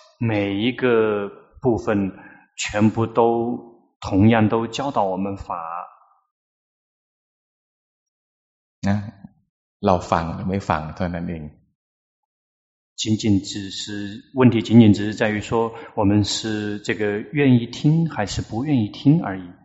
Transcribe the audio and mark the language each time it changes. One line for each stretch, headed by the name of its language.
Chinese: 每一个部分全部都同样都教导我们法
Thai: นะเราฟังหรือไม่ฟังเท่านั้นเอง
Chinese: 仅仅只是问题仅仅只是在于说我们是这个愿意听还是不愿意听而已